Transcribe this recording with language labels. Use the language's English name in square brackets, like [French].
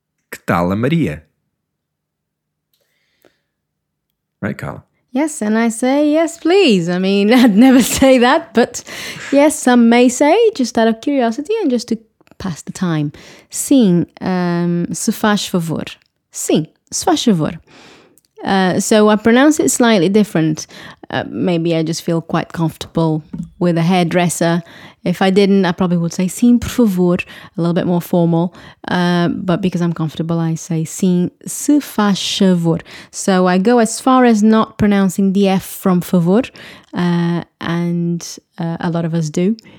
[Portuguese] Que tal a Maria? [English] Right, Carla? Yes, and I say yes, please. I mean, I'd never say that, but yes, some may say, just out of curiosity and just to pass the time. [Portuguese] Sim, se faz favor. Sim, se faz favor. [English] So I pronounce it slightly different. Maybe I just feel quite comfortable with a hairdresser. If I didn't, I probably would say [Portuguese] sim, por favor, [English] a little bit more formal. But because I'm comfortable, I say [Portuguese] sim, se faz favor. [English] So I go as far as not pronouncing the F from favor, and a lot of us do.